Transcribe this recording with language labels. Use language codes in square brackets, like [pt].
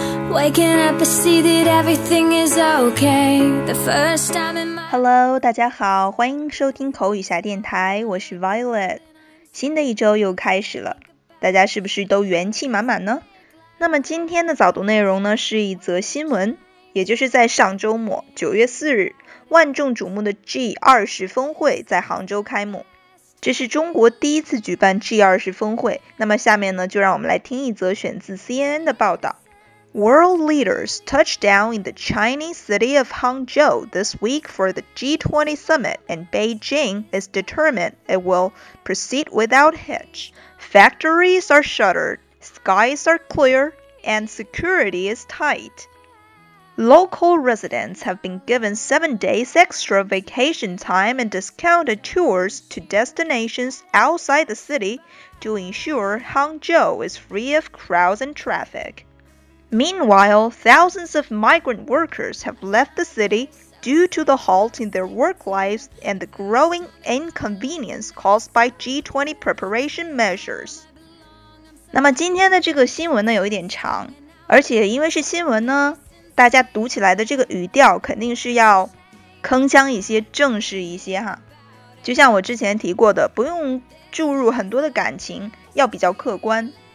[en] waking up, I see that everything is okay. The first time in my [zh] Hello, 大家好，欢迎收听口语侠电台，我是 Violet。新的一周又开始了，大家是不是都元气满满呢？那么今天的早读内容呢，是一则新闻，也就是在上周末9月4日万众瞩目的 G20 峰会在杭州开幕，这是中国第一次举办 G20 峰会。那么下面呢，就让我们来听一则选自 CNN 的报道。 [en] World leaders touched down in the Chinese city of Hangzhou this week for the G20 summit, and Beijing is determined it will proceed without hitch. Factories are shuttered, skies are clear, and security is tight. Local residents have been given 7 days extra vacation time and discounted tours to destinations outside the city to ensure Hangzhou is free of crowds and traffic. Meanwhile, thousands of migrant workers have left the city due to the halt in their work lives and the growing inconvenience caused by G20 preparation measures. [zh] 那么今天的这个新闻呢，有一点长，而且因为是新闻呢，大家读起来的这个语调肯定是要铿锵一些，正式一些哈。就像我之前提过的，不用注入很多的感情，要比较客观。